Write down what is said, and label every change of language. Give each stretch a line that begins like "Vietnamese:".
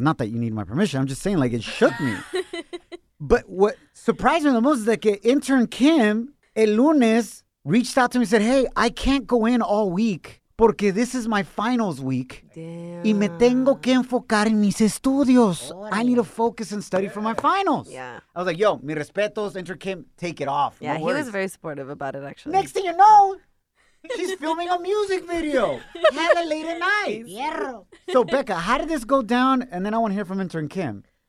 English: Not that you need my permission. I'm just saying, like, it shook me. But what surprised me the most is that intern Kim,
Spanish: el lunes,
English: reached out to me and said, hey, I can't go in all week porque this is my finals week. Damn.
Spanish: Y me tengo que enfocar en mis estudios.
English: I need to focus and study for my finals. Yeah. I was like, yo,
Spanish: mi respetos,
English: intern Kim, take it off. Yeah, no, he worries. Was very supportive about it, actually. Next thing you know, she's filming a music video. Hella late at night. So, Becca, how did this go down? And then I want to hear from intern Kim.